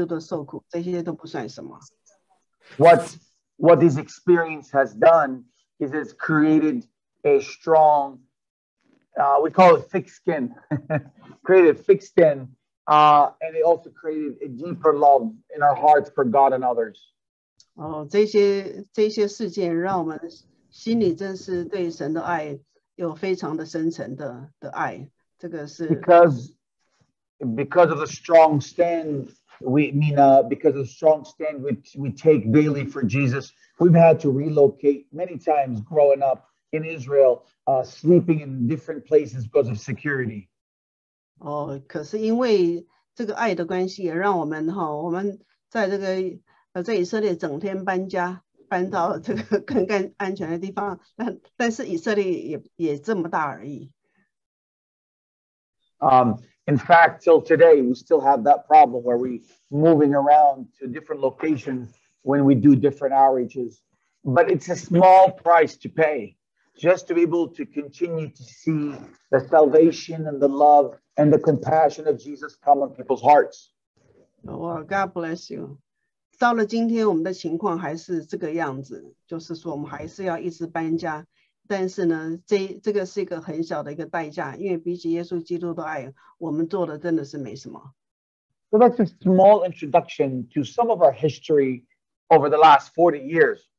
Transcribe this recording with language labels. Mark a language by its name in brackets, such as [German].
[Chinese] 哦，这一些地方我说起来是我们是受苦没有错，但是比起耶稣基督的受苦，这些都不算什么。What [English] this experience has done is it's created a strong, we call it thick skin, created thick skin, and it also created a deeper love in our hearts for God and others. [Chinese] Oh, 这些事件让我们心里真是对神的爱有非常的深层的爱，这个是。Because [English] of the strong stand, we take daily for Jesus, we've had to relocate many times growing up in Israel, sleeping in different places because of security. [Chinese] Oh, 可是因为这个爱的关系也让我们在以色列整天搬家，搬到这个更安全的地方，但是以色列也这么大而已。 [English] In fact, till today, we still have that problem where we're moving around to different locations when we do different outreaches. But it's a small price to pay just to be able to continue to see the salvation and the love and the compassion of Jesus come on people's hearts. Oh, God bless you. [Chinese] 到了今天，我们的情况还是这个样子，就是说我们还是要一直搬家。但是呢，这个是一个很小的一个代价，因为比起耶稣基督的爱，我们做的真的是没什么。So [English] that's a small introduction to some of our history over the last 40 years.